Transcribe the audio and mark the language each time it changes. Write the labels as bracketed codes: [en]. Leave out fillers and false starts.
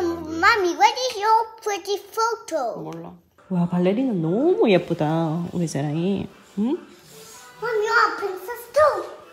[en] Mommy, what is your pretty photo? [ko] 몰라. 와, 발레리나 너무 예쁘다. 우리 세라이. 응? [en] Mommy, you are princess too.